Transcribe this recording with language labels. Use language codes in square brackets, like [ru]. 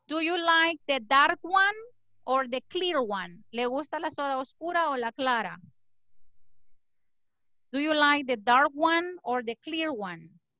[en] Do you like the dark one or the clear one? [es] ¿Le gusta la soda oscura o la clara? [en] Do you like the dark one or the clear one?